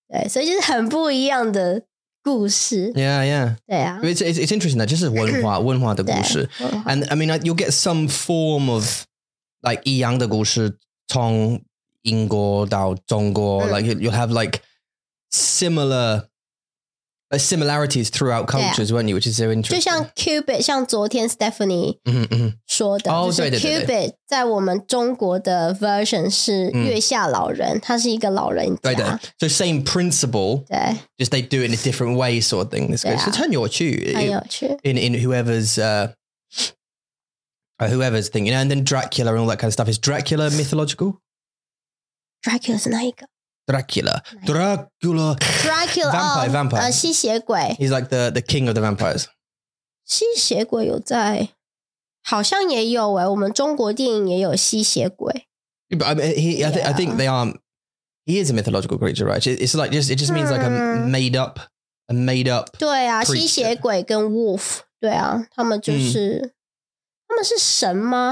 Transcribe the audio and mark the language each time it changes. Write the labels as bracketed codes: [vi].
[zh] 对，所以就是很不一样的故事。 [en] Yeah. [zh] 对啊。 [en] It's interesting that, [zh] 就是文化, 文化的故事。 [en] And I mean, you'll get some form of, like, [zh] 一样的故事从英国到中国, [en] like, you'll have, like,similarities throughout cultures, weren't you? Which is so interesting. [zh] 就像 Qubit, 像昨天 Stephanie 说的，就是 Qubit 在我们中国的 version 是月下老人，他是一个老人家。对的。 [en] So same principle, [zh] 对。 [en] Just they do it in a different way, sort of thing. [zh] 对啊。 [en] So it's [zh] 很有趣。很有趣。 [en] In whoever's, whoever's thing, you know, and then Dracula and all that kind of stuff. Is Dracula mythological? [zh] Dracula's 哪一个？ [en] Dracula. Vampire. 吸血鬼。 He's like the king of the vampires. [zh] 吸血鬼有在。好像也有耶，我们中国电影也有吸血鬼。 [en] But I mean, I think they are, he is a mythological creature, right? It's like, it just means like a made up [zh] 对啊，吸血鬼跟 wolf, 对啊，他们就是，他们是神吗？